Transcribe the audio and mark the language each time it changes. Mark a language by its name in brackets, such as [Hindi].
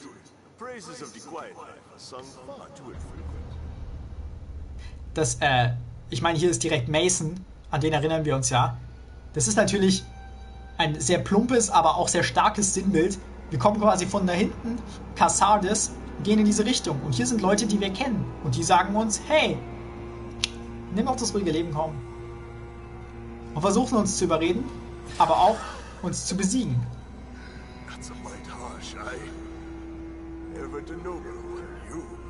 [English] The praises of the quiet life are sung far too infrequent. [German] Das, ich meine, hier ist direkt Mason, an den erinnern wir uns ja. Das ist natürlich ein sehr plumpes, aber auch sehr starkes Sinnbild. Wir kommen quasi von da hinten, Cassardis, gehen in diese Richtung. Und hier sind Leute, die wir kennen. Und die sagen uns, hey, nimm doch das ruhige Leben, komm. Und versuchen uns zu überreden, aber auch uns zu besiegen. [English] That's a bit harsh. I never did know that about you.